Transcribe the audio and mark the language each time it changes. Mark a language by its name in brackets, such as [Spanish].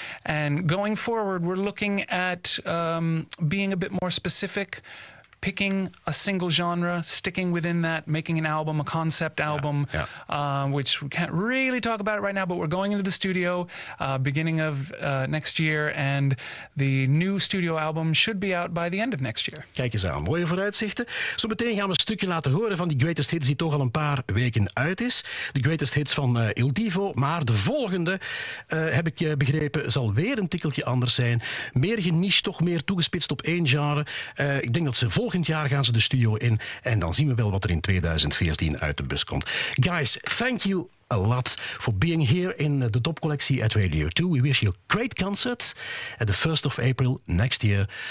[English] And going forward, we're looking at being a bit more specific, picking a single genre, sticking within that, making an album, a concept album, which we can't really talk about it right now, but we're going into the studio beginning of next year, and the new studio album should be out by the end of next year. [Dutch] Kijk eens aan, mooie vooruitzichten. Zo meteen gaan we een stukje laten horen van die greatest hits die toch al een paar weken uit is. De greatest hits van Il Divo, maar de volgende, heb ik begrepen, zal weer een tikkeltje anders zijn. Meer geniche, toch meer toegespitst op één genre. Ik denk dat ze volgend jaar gaan ze de studio in en dan zien we wel wat er in 2014 uit de bus komt. [English] Guys, thank you a lot for being here in the Top Collectie at Radio 2. We wish you a great concert at the 1st of April next year.